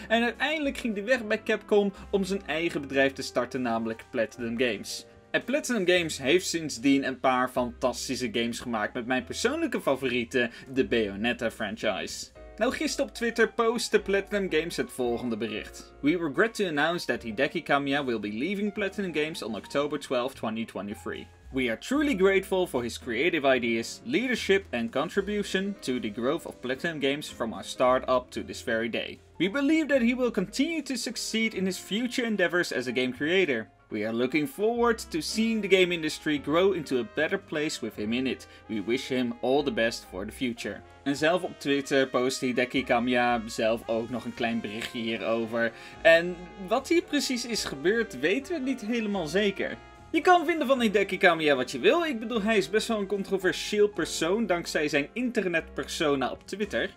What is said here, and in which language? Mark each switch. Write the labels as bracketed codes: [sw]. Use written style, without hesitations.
[nl] En uiteindelijk ging hij weg bij Capcom om zijn eigen bedrijf te starten, namelijk Platinum Games. En Platinum Games heeft sindsdien een paar fantastische games gemaakt met mijn persoonlijke favorieten, de Bayonetta franchise. Nou, gisteren op Twitter postte Platinum Games het volgende bericht. [en] We regret to announce that Hideki Kamiya will be leaving Platinum Games on October 12, 2023. We are truly grateful for his creative ideas, leadership and contribution to the growth of Platinum Games from our start up to this very day. We believe that he will continue to succeed in his future endeavors as a game creator. We are looking forward to seeing the game industry grow into a better place with him in it. We wish him all the best for the future. [nl] En zelf op Twitter postte Hideki Kamiya zelf ook nog een klein berichtje hierover. En wat hier precies is gebeurd, weten we niet helemaal zeker. Je kan vinden van Hideki Kamiya wat je wil. Ik bedoel, hij is best wel een controversieel persoon dankzij zijn internetpersona op Twitter.